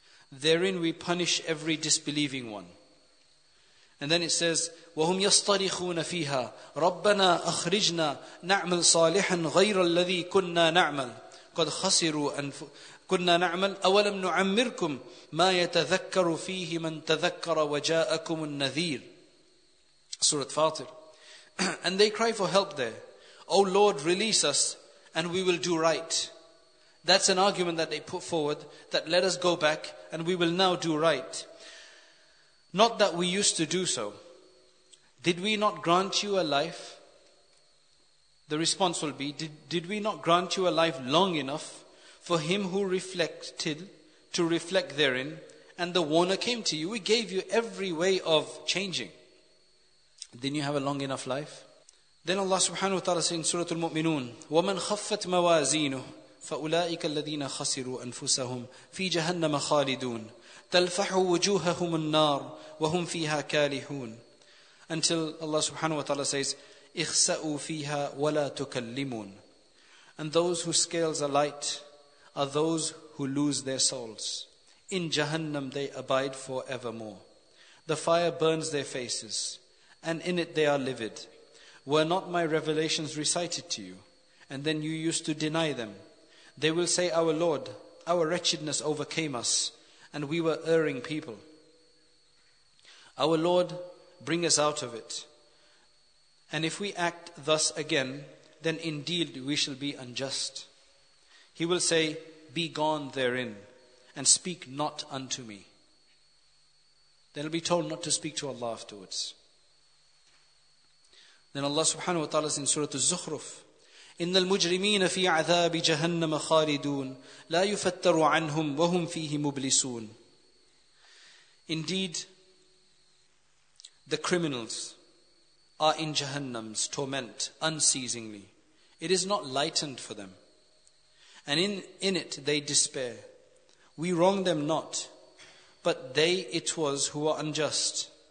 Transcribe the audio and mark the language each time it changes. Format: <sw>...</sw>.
<en>Therein we punish every disbelieving one. And then it says,</en> <ar>وَهُمْ يَصْطَرِخُونَ فِيهَا رَبَّنَا أَخْرِجْنَا نَعْمَلْ صَالِحًا غَيْرَ الَّذِي كُنَّا نَعْمَلْ قَدْ خَسِرُوا كُنَّا نَعْمَلْ أَوَلَمْ نُعَمِّرْكُمْ مَا يَتَذَكَّرُ فِيهِ مَنْ تَذَكَّرَ وَجَاءَكُمُ النَّذِيرُ.</ar> <en>Surah Fatir. And they cry for help there. O Lord, release us and we will do right. That's an argument that they put forward, that let us go back and we will now do right. Not that we used to do so. Did we not grant you a life? The response will be, did we not grant you a life long enough for him who reflected to reflect therein, and the warner came to you? We gave you every way of changing. Didn't you have a long enough life? Then Allah subhanahu wa ta'ala says in Surah Al-Mu'minun,</en> <ar>وَمَنْ خَفَّتْ مَوَازِينُهُ فَأُولَٰئِكَ الَّذِينَ خَسِرُوا أَنفُسَهُمْ فِي جَهَنَّمَ خَالِدُونَ تَلْفَحُ وُجُوهَهُمُ النَّارُ وَهُمْ فِيهَا كَالِحُونَ.</ar> <en>Until Allah subhanahu wa ta'ala says,</en> <ar>اِخْسَأُوا فِيهَا وَلَا تُكَلِّمُونَ.</ar> <en>And those whose scales are light are those who lose their souls. In Jahannam they abide forevermore. The fire burns their faces, and in it they are livid. Were not my revelations recited to you, and then you used to deny them, they will say, our Lord, our wretchedness overcame us, and we were erring people. Our Lord, bring us out of it. And if we act thus again, then indeed we shall be unjust. He will say, be gone therein, and speak not unto me. They'll be told not to speak to Allah afterwards. Then Allah subhanahu wa ta'ala is in Surah Al-Zukhruf,</en> <ar>إِنَّ الْمُجْرِمِينَ فِي عَذَابِ جَهَنَّمَ خَالِدُونَ لَا يُفَتَّرُ عَنْهُمْ وَهُمْ فِيهِ مُبْلِسُونَ.</ar> <en>Indeed, the criminals are in Jahannam's torment unceasingly. It is not lightened for them. And in it they despair. We wrong them not, but they it was who are unjust.</en>